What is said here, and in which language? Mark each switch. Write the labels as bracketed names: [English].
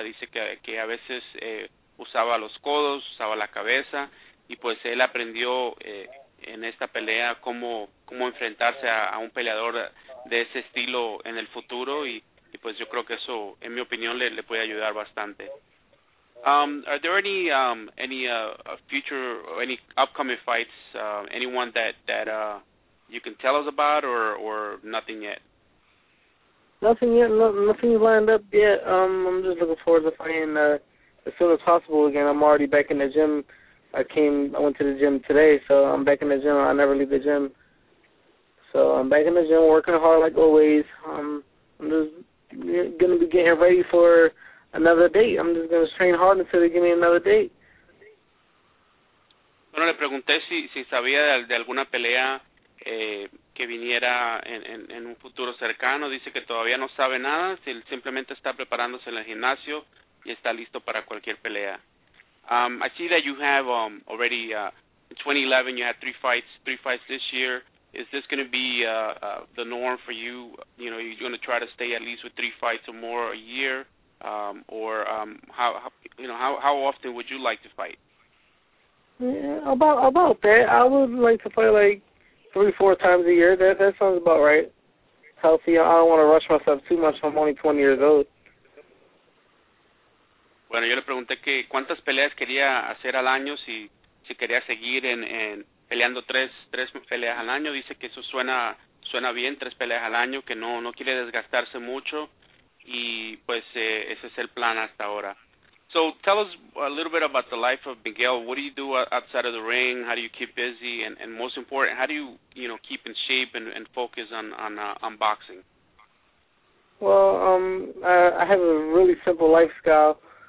[Spanish] Dice que a veces usaba los codos, usaba la cabeza, y pues él aprendió en esta pelea cómo enfrentarse a un peleador de ese estilo en el futuro, y pues yo creo que eso, en mi opinión, le puede ayudar bastante. [English] Are there any future or any upcoming fights, anyone that you can tell us about, or nothing yet? Nothing lined up yet. I'm just looking forward to fighting as soon as possible again. I'm already back in the gym. I went to the gym today, so I'm back in the gym. I never leave the gym. So I'm back in the gym, working hard like always. I'm just going to be getting ready for another date. I'm just going to train hard until they give me another date. [Spanish] Bueno, le pregunté si sabía de alguna pelea que viniera en un futuro cercano. Dice que todavía no sabe nada, simplemente está preparándose en el gimnasio y está listo para cualquier pelea. [English] I see that you have already, in 2011, you had three fights this year. Is this going to be the norm for you? You know, you're going to try to stay at least with three fights or more a year? How often would you like to fight? About that. I would like to fight like 3-4 times a year. That sounds about right. Healthy. I don't want to rush myself too much. I'm only 20 years old. [Spanish] Bueno, yo le pregunté que cuántas peleas quería hacer al año, si quería seguir en peleando tres peleas al año. Dice que eso suena bien, tres peleas al año, que no quiere desgastarse mucho, y pues ese es el plan hasta ahora. [English] So tell us a little bit about the life of Miguel. What do you do outside of the ring? How do you keep busy? And most important, how do you, you know, keep in shape and focus on boxing? Well, I have a really simple lifestyle.